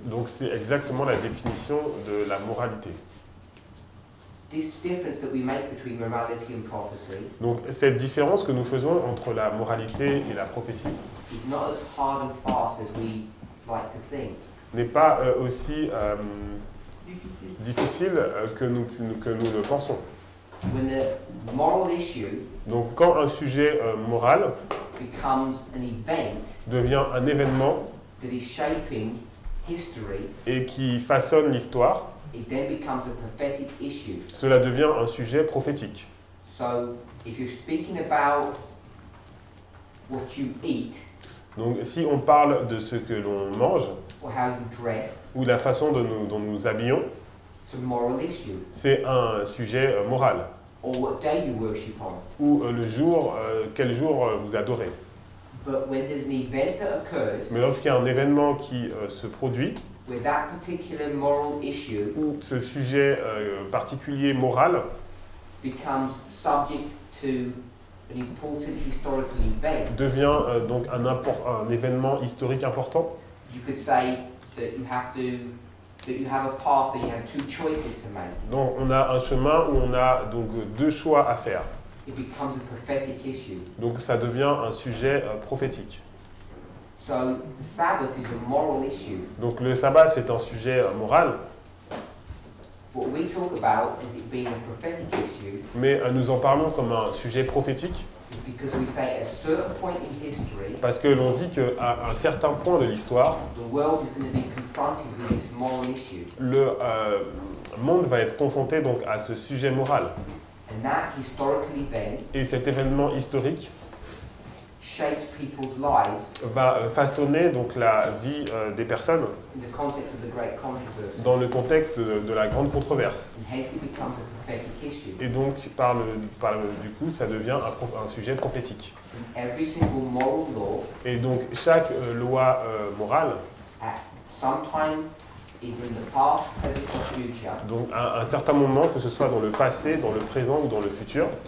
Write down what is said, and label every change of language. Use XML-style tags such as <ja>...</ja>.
<fr>Donc c'est exactement la définition de la moralité.</fr> <en>This difference that we make between morality and prophecy.</en> <fr>Donc cette différence que nous faisons entre la moralité et la prophétie.</fr> <en>Is not as hard and fast as we like to think.</en> <fr>N'est pas aussi difficile que nous le pensons.</fr> <en>When the moral issue.</en> <fr>Donc quand un sujet moral.</fr> <en>Becomes an event.</en> <fr>Devient un événement.</fr> <en>That is shaping history.</en> <fr>Et qui façonne l'histoire.</fr> <en>It then becomes a prophetic issue.</en> <fr>Cela devient un sujet prophétique.</fr> <en>So, if you're speaking about what you eat,</en> <fr>donc, si on parle de ce que l'on mange,</fr> <en>or how you dress,</en> <fr>ou la façon dont nous habillons,</fr> <en>it's a moral issue.</en> <fr>C'est un sujet moral.</fr> <en>Or what day you worship on.</en> <fr>Ou le jour, quel jour vous adorez.</fr> <en>But when there's an event that occurs,</en> <fr>mais lorsqu'il y a un événement qui se produit,</fr> <en>with that particular moral issue,</en> <fr>où ce sujet particulier moral</fr> <en>becomes subject to an important historical event,</en> <fr>devient donc un événement historique important.</fr> <en>You could say that you have a path that you have two choices to make.</en> <fr>Donc on a un chemin où on a donc deux choix à faire.</fr> <en>It becomes a prophetic issue.</en> <fr>Donc ça devient un sujet prophétique.</fr> <en>So the Sabbath is a moral issue.</en> <fr>Donc le sabbat c'est un sujet moral.</fr> <en>What we talk about is it being a prophetic issue.</en> <fr>Mais nous en parlons comme un sujet prophétique.</fr> <en>Because we say at a certain point in history.</en> <fr>Parce que l'on dit que à un certain point de l'histoire.</fr> <en>The world is going to be confronted with this moral issue.</en> <fr>Le monde va être confronté donc à ce sujet moral.</fr> <en>And that historical event.</en> <fr>Et cet événement historique.</fr> <en>Shapes people's lives,</en> <fr>va façonner donc la vie des personnes</fr> <en>in the context of the great controversy.</en> <fr>Dans le contexte de la grande controverse.</fr> <en>And hence it becomes a prophetic issue.</en> <fr>Et donc, du coup, ça devient un sujet prophétique.</fr> <en>And every single moral law,</en> <fr>et donc, chaque loi morale,</fr> <en>sometime, either in the past, present or future,</en> <fr>donc à un certain moment, que ce soit dans le passé, dans le présent ou dans le futur,</fr>